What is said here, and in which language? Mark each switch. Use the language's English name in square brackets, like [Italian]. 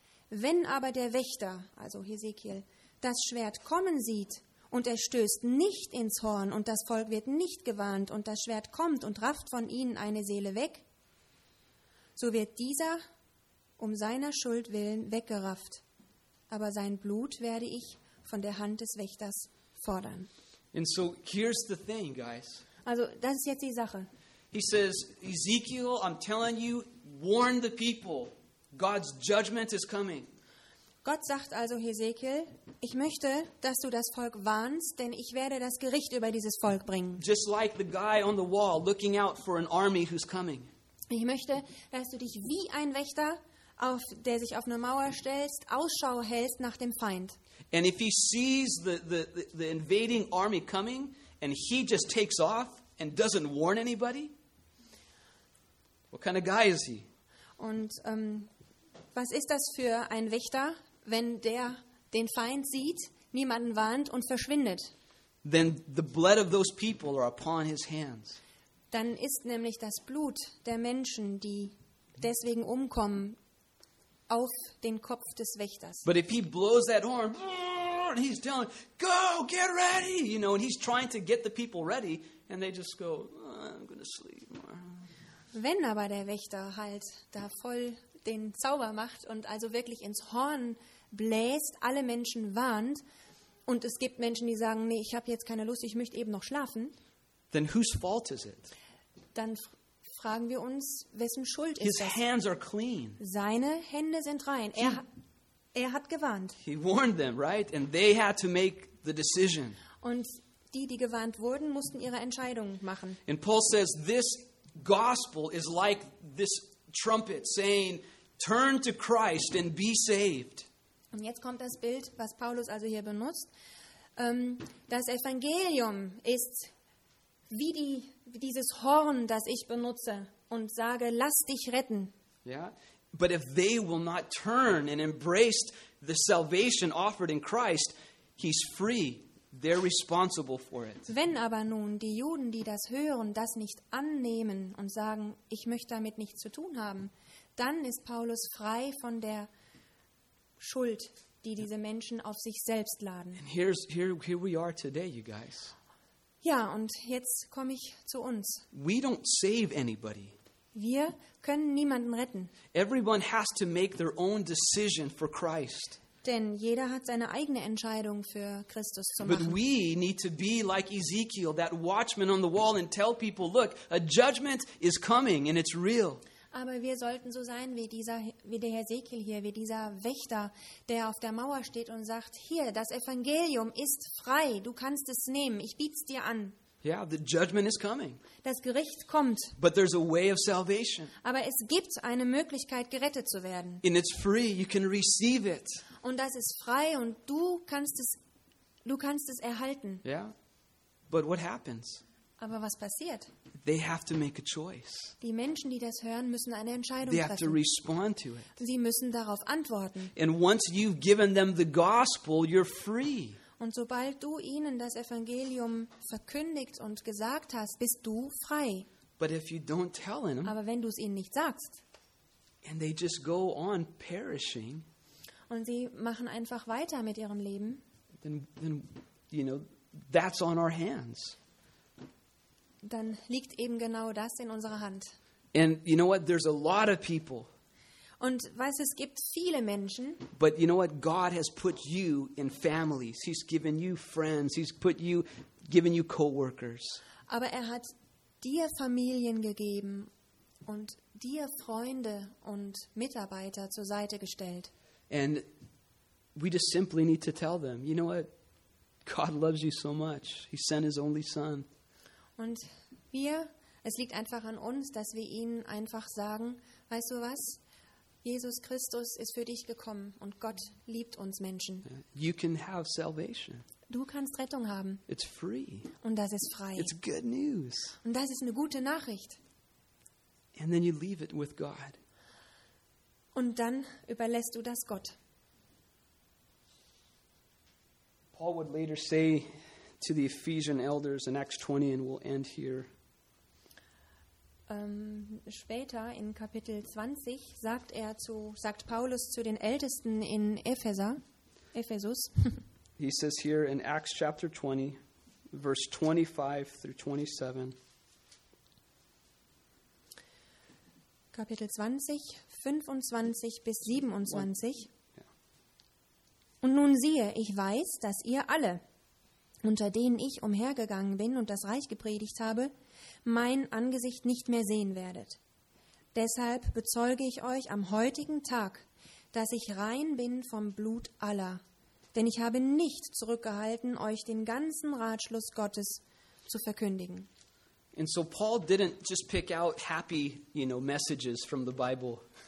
[German] Wenn aber der Wächter, also Hesekiel, das Schwert kommen sieht und er stößt nicht ins Horn und das Volk wird nicht gewarnt und das Schwert kommt und rafft von ihnen eine Seele weg, so wird dieser um seiner Schuld willen weggerafft. Aber sein Blut werde ich von der Hand des Wächters fordern. [English] And so here's the thing, guys. [German] Also, das ist jetzt die Sache. [English] He says, Ezekiel, I'm telling you, warn the people. God's judgment is coming. [German] Gott sagt also, Ezekiel, ich möchte, dass du das Volk warnst, denn ich werde das Gericht über dieses Volk bringen. [English] Just like the guy on the wall looking out for an army who's coming. [German] Ich möchte, dass du dich wie ein Wächter, der sich auf eine Mauer stellst, Ausschau hältst nach dem Feind. [English] And if he sees the invading army coming and he just takes off and doesn't warn anybody, what kind of guy is he? [German] Und was ist das für ein Wächter, wenn der den Feind sieht, niemanden warnt und verschwindet? [English] then the blood of those people are upon his hands. [German] Dann ist nämlich das Blut der Menschen, die deswegen umkommen, auf den Kopf des Wächters. [English] But if he blows that horn, and he's telling, go, get ready, you know, and he's trying to get the people ready, and they just go, I'm going to sleep. [German] Wenn aber der Wächter halt da voll den Zauber macht und also wirklich ins Horn bläst, alle Menschen warnt, und es gibt Menschen, die sagen, nee, ich habe jetzt keine Lust, ich möchte eben noch schlafen, [English] then whose fault is it? [German] Dann fragen wir uns, wessen Schuld [English] his [German] ist das? [English] Hands are clean. [German] Seine Hände sind rein. Er hat gewarnt. [English] He warned them, right? And they had to make the decision. [German] Und die, die gewarnt wurden, mussten ihre Entscheidung machen. [English] And Paul says, this gospel is like this trumpet saying, turn to Christ and be saved. [German] Und jetzt kommt das Bild, was Paulus also hier benutzt. Das Evangelium ist wie die dieses Horn, das ich benutze und sage, lass dich retten. [English] Yeah. But if they will not turn and embrace the salvation offered in Christ, he's free. They're responsible for it. [German] Wenn aber nun die Juden, die das hören, das nicht annehmen und sagen, ich möchte damit nichts zu tun haben, dann ist Paulus frei von der Schuld, die diese Menschen auf sich selbst laden. [English] And here we are today, you guys. [German] Ja, und jetzt komme ich zu uns. [English] We don't save anybody. [German] Wir können niemanden retten. [English] Everyone has to make their own decision for Christ. [German] Denn jeder hat seine eigene Entscheidung für Christus zu machen. [English] But we need to be like Ezekiel, that watchman on the wall, and tell people, look, a judgment is coming and it's real. [German] Aber wir sollten so sein wie dieser, wie der Ezekiel hier, wie dieser Wächter, der auf der Mauer steht und sagt, hier, das Evangelium ist frei, du kannst es nehmen, ich biete es dir an. [English] Yeah, the judgment is coming. [German] Das Gericht kommt. [English] But there's a way of salvation. [German] Aber es gibt eine Möglichkeit, gerettet zu werden. [English] And it's free, you can receive it. [German] Und das ist frei und du kannst es erhalten. [English] Yeah. But what happens? [German] Aber was passiert? [English] They have to make a choice. [German] Die Menschen, die das hören, müssen eine Entscheidung [English] they [German] treffen. [English] Have to respond to it. [German] Sie müssen darauf antworten. [English] And once you've given them the gospel, you're free. [German] Und sobald du ihnen das Evangelium verkündigt und gesagt hast, bist du frei. [English] But if you don't tell them, [German] aber wenn du es ihnen nicht sagst, [English] and they just go on perishing, [German] und sie machen einfach weiter mit ihrem Leben, [English] then you know, that's on our hands. [German] Dann liegt eben genau das in unserer Hand. [English] And you know what? There's a lot of people. [German] Und weißt, es gibt viele Menschen. [English] But you know what? God has put you in families. He's given you friends. He's put you, given you co-workers. [German] Aber er hat dir Familien gegeben und dir Freunde und Mitarbeiter zur Seite gestellt. [English] And we just simply need to tell them, you know what? God loves you so much. He sent his only son. [German] Und wir, es liegt einfach an uns, dass wir ihnen einfach sagen, weißt du was? Jesus Christus ist für dich gekommen und Gott liebt uns Menschen. [English] You can have salvation. [German] Du kannst Rettung haben. [English] It's free. [German] Und das ist frei. [English] It's good news. [German] Und das ist eine gute Nachricht. [English] And then you leave it with God. [German] Und dann überlässt du das Gott. [English] Paul would later say to the Ephesian elders in Acts 20, and we'll end here. [German] Später in Kapitel 20 sagt Paulus zu den Ältesten in Ephesus. [English] He says here in Acts chapter 20, verse 25 through 27. [German] Kapitel 20, 25 bis 27. [English] Yeah. [German] Und nun siehe, ich weiß, dass ihr alle, unter denen ich umhergegangen bin und das Reich gepredigt habe, mein Angesicht nicht mehr sehen werdet. Deshalb bezeuge ich euch am heutigen Tag, dass ich rein bin vom Blut aller, denn ich habe nicht zurückgehalten, euch den ganzen Ratschluss Gottes zu verkündigen. [English] And so Paul didn't just pick out happy, you know, messages from the Bible.